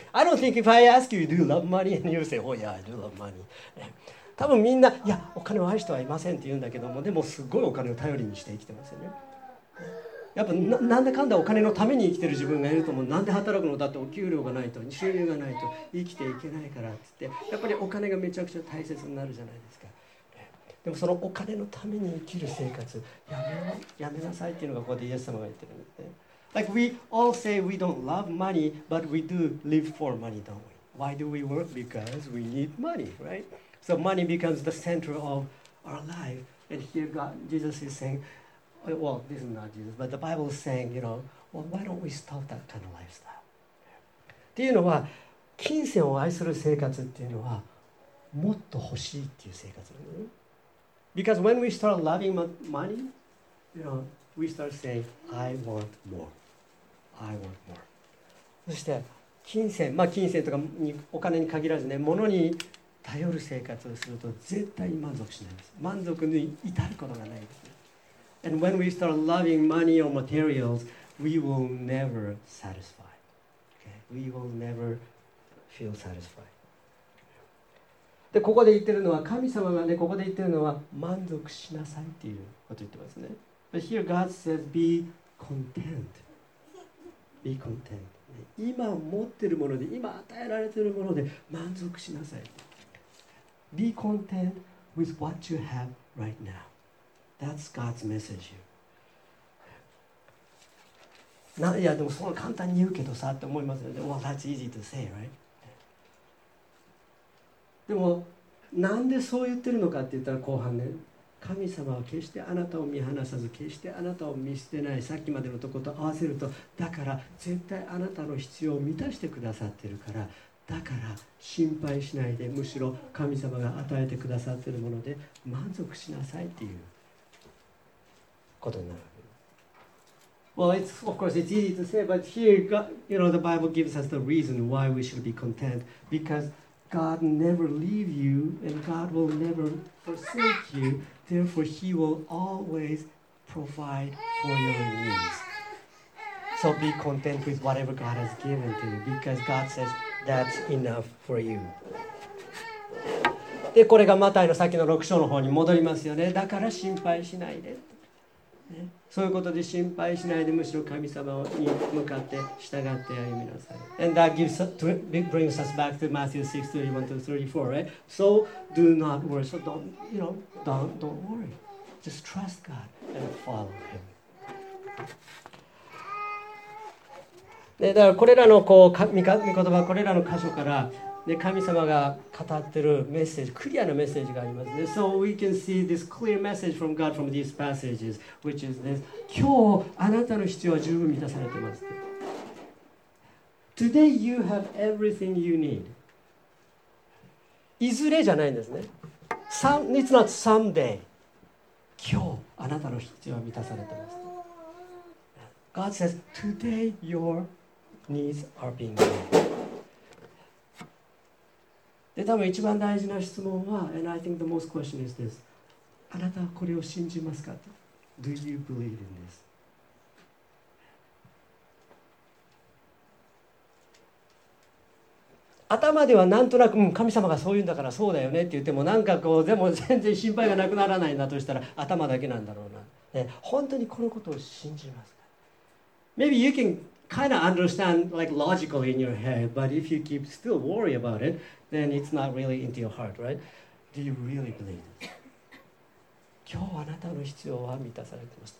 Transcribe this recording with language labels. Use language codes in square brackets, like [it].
[en] I don't think if I ask you, do you love money? And you say, oh yeah, I do love money. [ja] 多分みんな、いや、お金を愛してはいませんって言うんだけども、でもすごいお金を頼りにして生きてますよね。やっぱ なんだかんだお金のために生きてる自分がいると思う。なんで働くのだって、お給料がないと、収入がないと生きていけないからって言って、やっぱりお金がめちゃくちゃ大切になるじゃないですか。でもそのお金のために生きる生活、やめなさいっていうのがここでイエス様が言ってるんですね。 [en] Like we all say we don't love money, but we do live for money, don't we? Why do we work? Because we need money, right? So money becomes the center of our life. And here God, Jesus is saying, well, this is not Jesus, but the Bible is saying, you know, well, why don't we stop that kind of lifestyle? [ja] っていうのは、金銭を愛する生活っていうのは、もっと欲しいっていう生活なんですね。 [en] Because when we start loving money, you know, we start saying, I want more. I want more. [ja] そして金銭、まあ金銭とかにお金に限らずね、物に頼る生活をすると絶対に満足しないです。満足に至ることがないです。 [en] And when we start loving money or materials, we will never satisfy. Okay? We will never feel satisfied. [ja] でここで言ってるのは、神様がね、ここで言ってるのは満足しなさいっていうことを言ってますね。 [en] But here God says, be content. Be content. [ja] 今持ってるもので、今与えられてるもので満足しなさい。 [en] Be content with what you have right now. That's God's message. [ja] いや、でもそんな簡単に言うけどさって思いますよね。 [en] Well, that's easy to say, right? [ja] でもなんでそう言ってるのかって言ったら、後半ね、神様は決してあなたを見放さず、決してあなたを見捨てない。さっきまでのとこと合わせると、だから絶対あなたの必要を満たしてくださってるから、だから心配しないで、むしろ神様が与えてくださっているもので満足しなさいっていうことになる。 [en] Well, it's, of course, it's easy to say, but here, God, you know, the Bible gives us the reason why we should be content. Because God never leave you, and God will never forsake you. Therefore, He will always provide for your needs. So be content with whatever God has given to you, because God says, that's enough for you. [ja] で、これがマタイの先の6章の方に戻りますよね。だから心配しないで。そういうことで心配しないで、むしろ神様に向かって従って歩みなさい。 [en] And that gives brings us back to Matthew 6:31-34, right? So do not worry. So don't worry. Just trust God and follow Him. [ja] だからこれらのこう御言葉、これらの箇所から神様が語っているメッセージ、クリアなメッセージがありますね。 [en] So we can see this clear message from God from these passages, which is this: [ja] 今日あなたの必要は十分満たされてます。 [en] Today you have everything you need. [ja] いずれじゃないんですね。 [en] It's not someday. [ja] 今日あなたの必要は満たされてます。 [en] God says, today your needs are being met. [ja] で、多分一番大事な質問は、 [en] And I think the most question is this: [ja] あなたはこれを信じますかと。 [en] Do you believe in this? [ja] 頭ではなんとなく、うん、神様がそう言うんだからそうだよねって言っても、なんかこう、でも全然心配がなくならないなとしたら、頭だけなんだろうな。ね、本当にこのことを信じますか。 [en] Maybe you can kind of understand like logically in your head, but if you keep still worry about it,Then it's not really into your heart, right? Do you really believe it? [ja] 今日あなたの必要は満たされています。